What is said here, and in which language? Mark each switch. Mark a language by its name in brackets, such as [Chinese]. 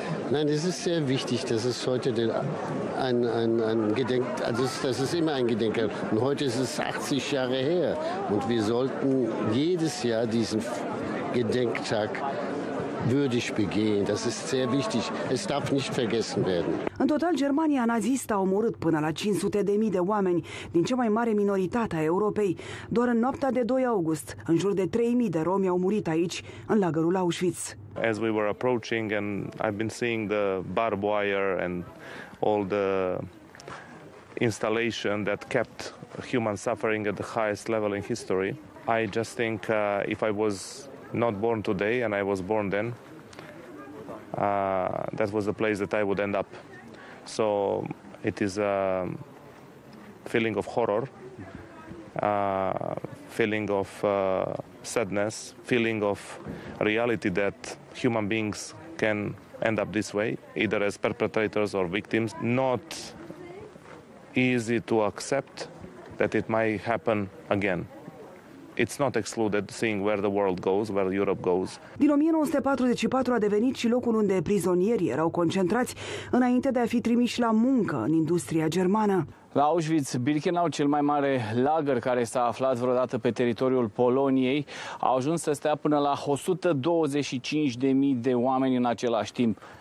[German] Nein, es ist sehr wichtig, dass es heute ein Gedenk, also das ist immer ein Gedenken. Und heute ist es 80 Jahre her und wir sollten jedes Jahr diesen Gedenktag würdig begehen. Das ist sehr wichtig. Es darf nicht vergessen werden. [Romanian] În total, Germania nazistă a omorât până la 500.000 de oameni din cea mai mare minoritate a Europei. Doar în noaptea de 2 august, în jur de 3.000 de romi au murit aici, în lagărul Auschwitz. [English] As we were approaching and I've been seeing the barbed wire and all the installation that kept human suffering at the highest level in history, I just think if I was not born today and I was born then, that was the place that I would end up. So it is a feeling of horror, feeling of sadness, feeling of reality that human beings can end up this way, either as perpetrators or victims. Not easy to accept that it might happen again. It's not excluded seeing where the world goes, where Europe goes. [Romanian] Din 1944 a devenit și locul unde prizonierii erau concentrați înainte de a fi trimiși la muncă în industria germană. La Auschwitz-Birkenau, cel mai mare lagăr care s-a aflat vreodată pe teritoriul Poloniei, a ajuns să stea până la 125.000 de oameni în același timp.